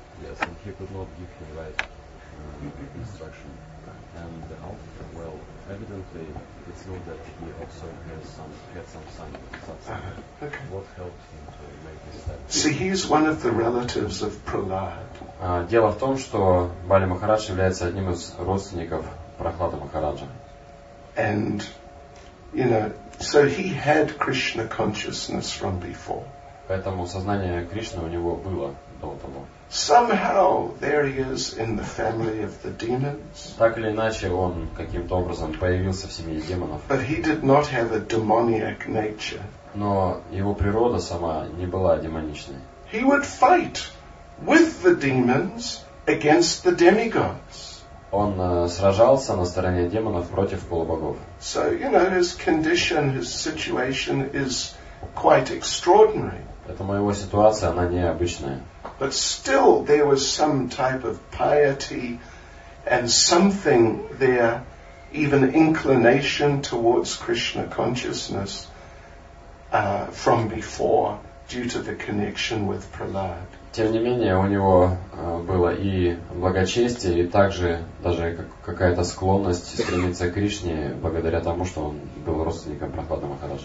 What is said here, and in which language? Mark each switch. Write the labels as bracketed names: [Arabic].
[English] Yes, and he could not give him right instruction. And the outcome, well, evidently, it's not that he also had some okay. What helped him to make this step? See, he is one of the relatives of Prahlad. [Russian] Дело в том, что Бали Махарадж является одним из родственников Прахлада Махараджа. [English] And you know, so he had Krishna consciousness from before. [Russian] Поэтому сознание Кришны у него было до того. [English] Somehow there he is in the family of the demons. [Russian] Так или иначе он каким-то образом появился в семье демонов. [English] But he did not have a demoniac nature. [Russian] Но его природа сама не была демоничной. [English] He would fight with the demons against the demigods. [Russian] Он сражался на стороне демонов против полубогов. [English] So, you know, his condition, his situation is quite extraordinary. [Russian] Поэтому его ситуация, она необычная. [English] But still there was some type of piety and something there, even inclination towards Krishna consciousness from before due to the connection with Prahlad. [Russian] Тем не менее, у него было и благочестие, и также даже какая-то склонность стремиться к Кришне, благодаря тому, что он был родственником Прахлада Махараджа.